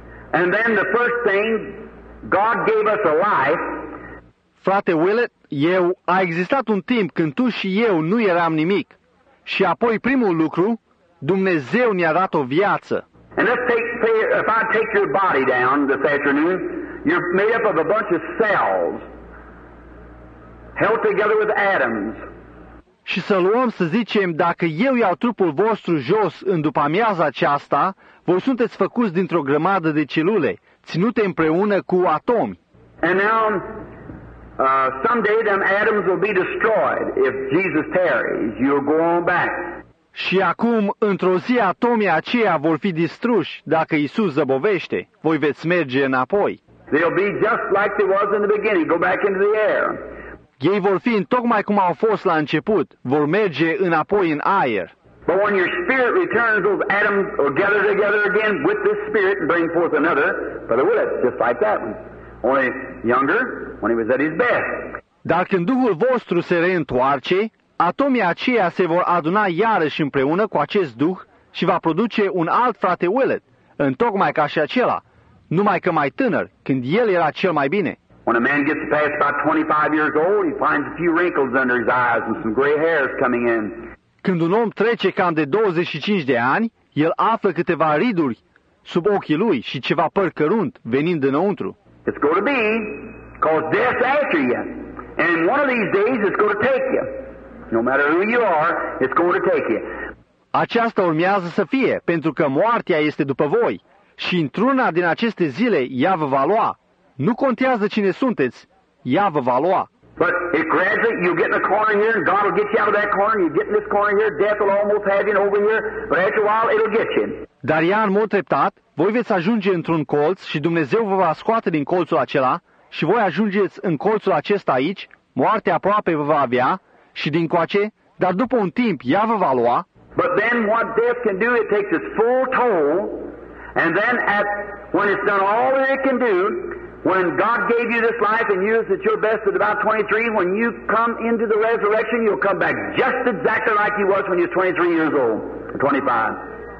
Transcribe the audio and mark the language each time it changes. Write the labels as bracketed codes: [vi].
[en] And then the first thing, God gave us a life. [ro] Frate Willett, a existat un timp când tu și eu nu eram nimic. Și apoi primul lucru, Dumnezeu ne-a dat o viață. [en] And if I take your body down this afternoon, You're made up of a bunch of cells held together with atoms. [ro] Și să luăm, să zicem, dacă eu iau trupul vostru jos în după-amiaza aceasta, voi sunteți făcuți dintr-o grămadă de celule, ținute împreună cu atomi. [en] And now, someday them atoms will be destroyed if Jesus tarries. You'll go on back. [ro] Și acum, într-o zi, atomii aceia vor fi distruși dacă Iisus zăbovește. Voi veți merge înapoi. [en] They'll be just like they was in the beginning. Go back into the air. [ro] Ei vor fi tocmai cum au fost la început. Vor merge înapoi în aer. [en] But when your spirit returns, those atoms will gather together again with this spirit and bring forth another. But it will, just like that one. Only younger, when he was at his best. [ro] Dar când Duhul vostru se reîntoarce, atomii aceia se vor aduna iarăși împreună cu acest Duh și va produce un alt frate Willet, întocmai ca și acela, numai că mai tânăr, când el era cel mai bine. [en] When a man gets past about 25 years old, he finds a few wrinkles under his eyes and some gray hairs coming in. [ro] Când un om trece cam de 25 de ani, el află câteva riduri sub ochii lui și ceva păr cărunt venind dinăuntru. [en] It's going to be because death's after you. And one of these days it's going to take you. No matter who you are, it's going to take you. [ro] Aceasta urmează să fie, pentru că moartea este după voi. Și într-una din aceste zile, ea vă va lua. Nu contează cine sunteți, ea vă va lua. [en] But it gradually, you get in a corner here, and God will get you out of that corner, you get in this corner here, death will almost have you over here, but after a while, it'll get you. [ro] Dar ea, în mod treptat, voi veți ajunge într-un colț și Dumnezeu vă va scoate din colțul acela și voi ajungeți în colțul acesta aici, moartea aproape vă va avea, și din coace, dar după un timp, ea vă va lua. [en] But then what death can do, it takes its full toll, and then at when it's done all that it can do, when God gave you this life and you is at your best at about 23, when you come into the resurrection, you'll come back just exactly like you was when you were 23 years old, 25.